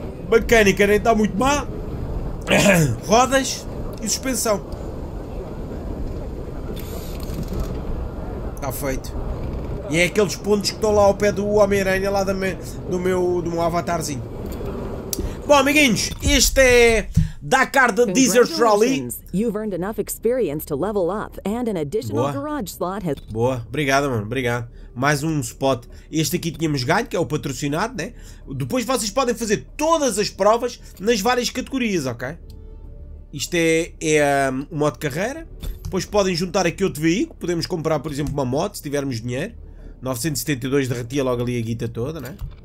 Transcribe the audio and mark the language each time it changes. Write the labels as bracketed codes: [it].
[pt] Mecânica nem está muito má. Rodas e suspensão. Está feito. E é aqueles pontos que estão lá ao pé do Homem-Aranha, lá do meu avatarzinho. Bom, amiguinhos, este é Dakar de Desert Trolley. [en] You've earned enough experience to level up and an additional boa. Garage slot has... [pt] Boa, obrigado, mano, obrigado. Mais um spot. Este aqui tínhamos ganho, que é o patrocinado, né? Depois vocês podem fazer todas as provas nas várias categorias, ok? Isto é o modo de carreira. Depois podem juntar aqui outro veículo. Podemos comprar, por exemplo, uma moto, se tivermos dinheiro. 972 derretia logo ali a guita toda, né?